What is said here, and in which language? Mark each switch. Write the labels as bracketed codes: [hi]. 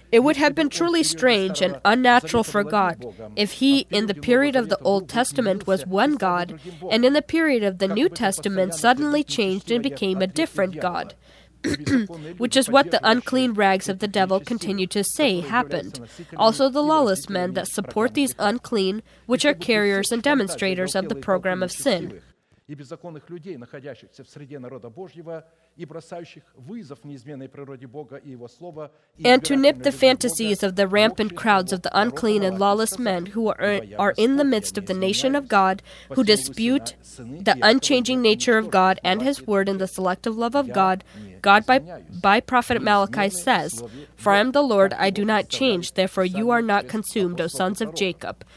[en] It would have been truly strange and unnatural for God if he, in the period of the Old Testament, was one God, and in the period of the New Testament, suddenly changed and became a different God. Which is what the unclean rags of the devil continue to say happened. Also the lawless men that support these unclean, which are carriers and demonstrators of the program of sin. [ru] И беззаконных людей, находящихся в среде народа Божьего, и бросающих вызов неизменной природе Бога и его слова. [en] And to nip the fantasies of the rampant crowds of the unclean and lawless men who are in the midst of the nation of God, who dispute the unchanging nature of God and his word in the selective love of God, God by prophet Malachi says, "For I am the Lord, I do not change, therefore you are not consumed, O sons of Jacob."